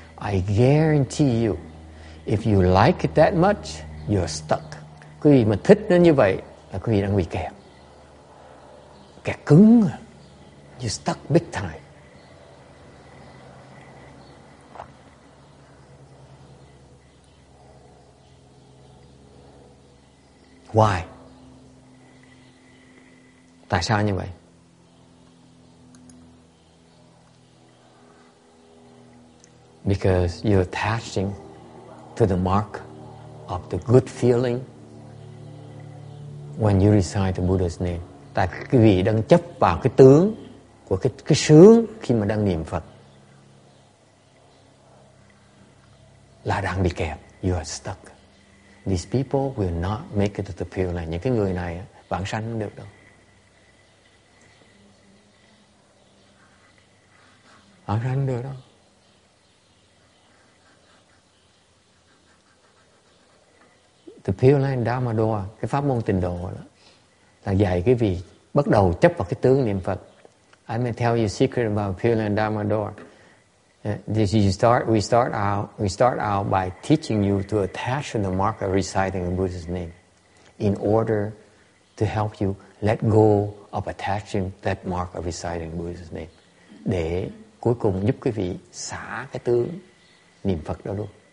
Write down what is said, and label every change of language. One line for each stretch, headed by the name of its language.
English: I guarantee you, if you like it that much, you're stuck.
Vietnamese: Quý vị mà thích nó như vậy là quý vị đang bị kẹt. Kẹt cứng.
English: You're stuck big time. Why?
Vietnamese: Tại sao như vậy?
English: Because you're attaching to the mark of the good feeling when you recite the Buddha's name.
Vietnamese: Tại quý vị đang chấp vào cái tướng của cái sướng khi mà đang niệm Phật là đang bị kẹt.
English: You are stuck. These people will not make it to the Pure Land.
Vietnamese: Những cái người này vãng sanh không được đâu. Vãng sanh được đâu.
English: The Pure Land Dharma Door,
Vietnamese: cái pháp môn tịnh độ đó, là dạy cái vị bắt đầu chấp vào cái tướng niệm Phật.
English: I may tell you a secret about Pure Land Dharma Door. We start out by teaching you to attach to the mark of reciting the Buddha's name in order to help you let go of attaching that mark of reciting Buddha's name.
Vietnamese: Để cuối cùng giúp quý vị xả cái tướng niệm Phật đó luôn.